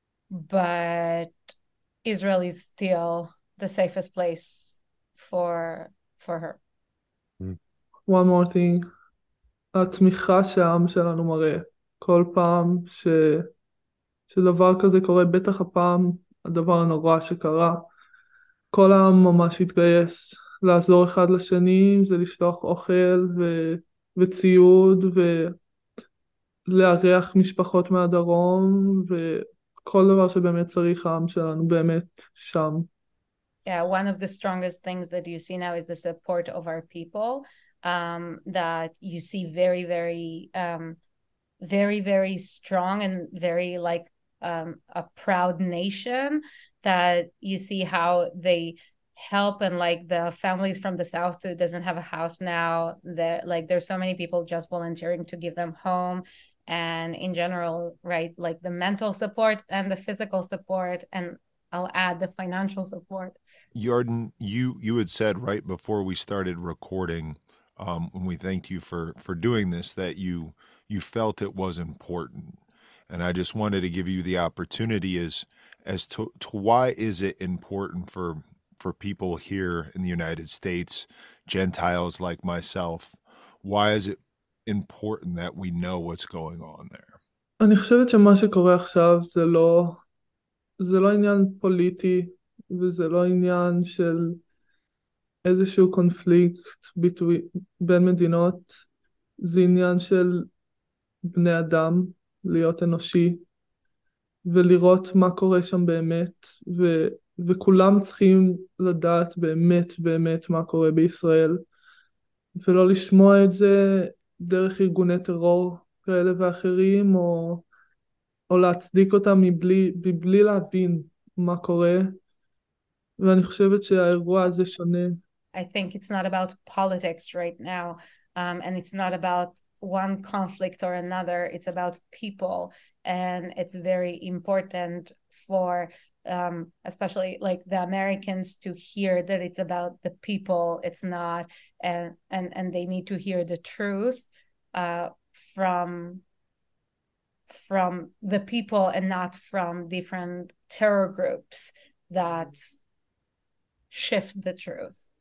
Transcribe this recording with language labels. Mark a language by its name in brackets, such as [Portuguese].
[English] But Israel is still the safest place for her. One more thing. [Hebrew] התמיכה שהעם שלנו מראה כל פעם שדבר כזה קורה, בטח הפעם, הדבר הנורא שקרה, כל העם ממש התגייס לעזור אחד לשני, זה לשלוח אוכל וציוד ולארח משפחות מהדרום, וכל דבר שבאמת צריך העם שלנו באמת שם. [English] Yeah, one of the strongest things that you see now is the support of our people, that you see very, very, very, very strong and very like a proud nation, that you see how they help, and like the families from the south who doesn't have a house now, that like there's so many people just volunteering to give them home, and in general, right, like the mental support and the physical support, and I'll add the financial support. Jordan, you had said right before we started recording, when we thanked you for doing this, that you felt it was important. And I just wanted to give you the opportunity as to why is it important for people here in the United States, Gentiles like myself, why is it important that we know what's going on there? [Hebrew] אני חושבת שמה שקורה עכשיו זה לא עניין פוליטי, וזה לא עניין של איזשהו קונפליקט בין מדינות, זה עניין של בני אדם, להיות אנושי ולראות מה קורה שם באמת, וכולם צריכים לדעת באמת באמת מה קורה בישראל, ולא לשמוע את זה דרך ארגוני טרור כאלה ואחרים, או להצדיק אותם מבלי להבין מה קורה. ואני חושבת שהאירוע הזה שונה. [English] I think it's not about politics right now, and it's not about one conflict or another, it's about people, and it's very important for especially like the Americans to hear that it's about the people, it's not, and they need to hear the truth from the people and not from different terror groups that shift the truth.